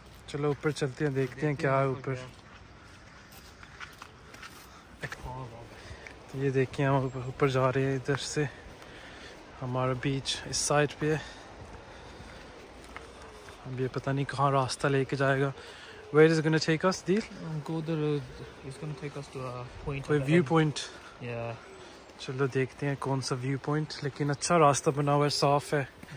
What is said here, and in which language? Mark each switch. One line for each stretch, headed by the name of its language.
Hindi: चलो ऊपर चलते हैं, देखते हैं क्या है ऊपर। ये देखिए हम ऊपर जा रहे हैं, इधर से हमारा बीच इस साइड पे है। अब ये पता नहीं कहाँ रास्ता लेके जाएगा।
English: Where is it gonna take us, Deel? Go there. It's gonna take us to a point.
Hindi: कोई view point?
English: Yeah.
Hindi: चलो देखते हैं कौन सा view point. लेकिन अच्छा रास्ता बना हुआ है, साफ है।